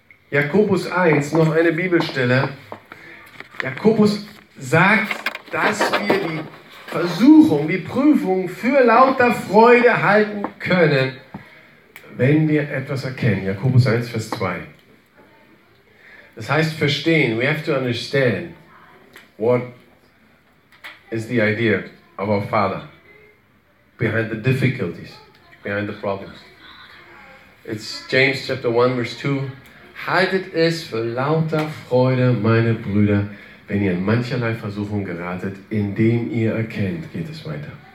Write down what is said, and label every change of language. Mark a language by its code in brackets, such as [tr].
[de] Jakobus 1, noch eine Bibelstelle. Jakobus sagt, dass wir die Versuchung, die Prüfung für lauter Freude halten können, wenn wir etwas erkennen. Jakobus 1, Vers 2. Das heißt verstehen. [en] We have to understand what is the idea of our Father behind the difficulties, behind the problems. It's James chapter 1, verse 2. [de] Haltet es für lauter Freude, meine Brüder, wenn ihr in mancherlei Versuchung geratet, indem ihr erkennt, geht es weiter.